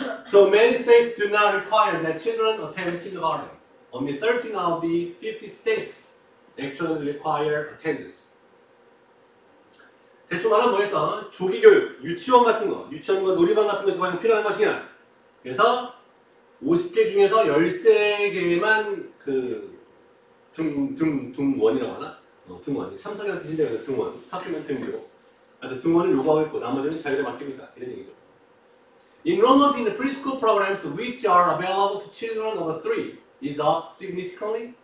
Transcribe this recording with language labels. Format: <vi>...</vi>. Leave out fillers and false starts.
<en>Though many states do not require that children attend kindergarten, only 13 of the 50 states actually require attendance.</en> <ko>대충 말하면 뭐겠어? 조기 교육, 유치원 같은 거, 유치원과 놀이방 같은 것이 과연 필요한 것이냐? 그래서 50개 중에서 13개만 그 등원이라고 하나? 등원이 참석이랑 뒤진다면서 등원 학교면 등교 그래서 등원을 요구하겠고 나머지는 자유에 맡깁니다 이런 얘기죠</ko> <en>Enrollment in the preschool programs which are available to children over 3 is up significantly</en>